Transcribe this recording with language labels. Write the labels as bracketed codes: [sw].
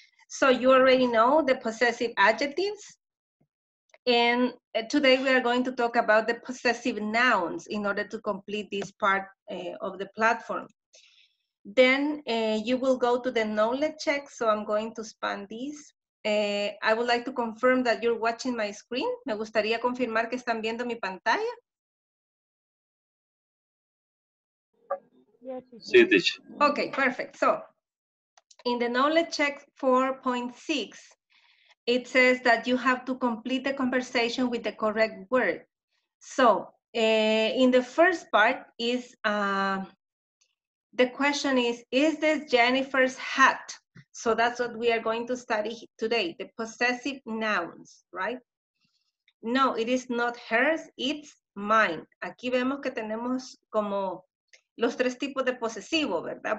[en] So you already know the possessive adjectives. And today we are going to talk about the possessive nouns in order to complete this part of the platform. Then you will go to the knowledge check. So I'm going to span this. I would like to confirm that you're watching my screen. [es] Me gustaría confirmar que están viendo mi pantalla. [en] Okay, perfect. So in the knowledge check 4.6, it says that you have to complete the conversation with the correct word. So in the first part is the question is this Jennifer's hat? So that's what we are going to study today, the possessive nouns, right? No, it is not hers, it's mine. [es] Aquí vemos que tenemos como los tres tipos de posesivo, ¿verdad?